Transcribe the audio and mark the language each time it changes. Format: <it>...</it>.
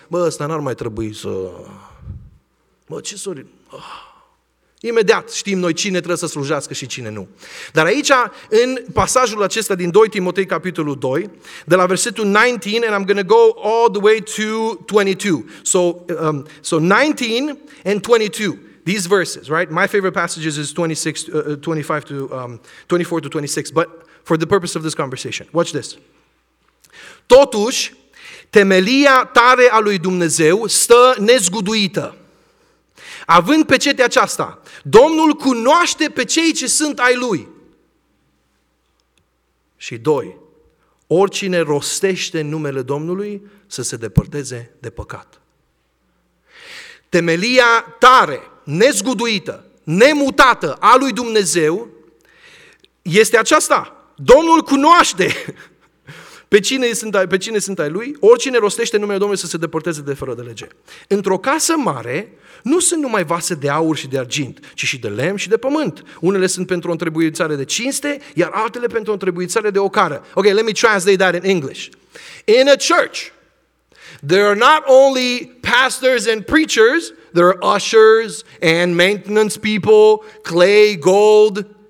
<ro>Bă, ăsta n-ar mai trebui să... Bă, ce sori... Imediat știm noi cine trebuie să slujească și cine nu. Dar aici, în pasajul acesta din 2 Timotei capitolul 2, de la versetul 19,</ro> <en>and I'm going to go all the way to 22. So 19 and 22. These verses, right? My favorite passages is 24 to 26, but for the purpose of this conversation. Watch this.</en> <ro>Totuși, temelia tare a lui Dumnezeu stă nezguduită. Având pecetea aceasta, Domnul cunoaște pe cei ce sunt ai Lui. Și doi, oricine rostește numele Domnului să se depărteze de păcat. Temelia tare, nezguduită, nemutată a lui Dumnezeu este aceasta. Domnul cunoaște pe cine sunt ai lui, oricine rostește numele Domnului să se depărteze de fără de lege. Într-o casă mare nu sunt numai vase de aur și de argint, ci și de lemn și de pământ. Unele sunt pentru o întrebuiețare de cinste, iar altele pentru o întrebuiețare de ocară.</ro> <en>Ok, let me translate that in English. In a church, there are not only pastors and preachers, there are ushers and maintenance people, clay, gold.</en>